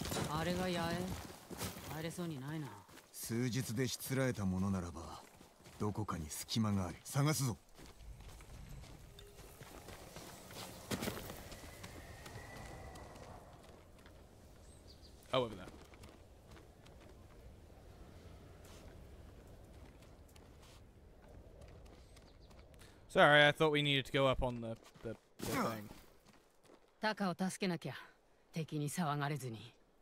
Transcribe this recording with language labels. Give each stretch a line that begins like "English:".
Japanese: あれが八重。あれそうにないな。数日でしつらえたものならば、どこかに隙間がある。探すぞ。
English: Sorry, I thought we needed to go up on the thing.
Japanese: タカを助けなきゃ。敵に騒がれずに。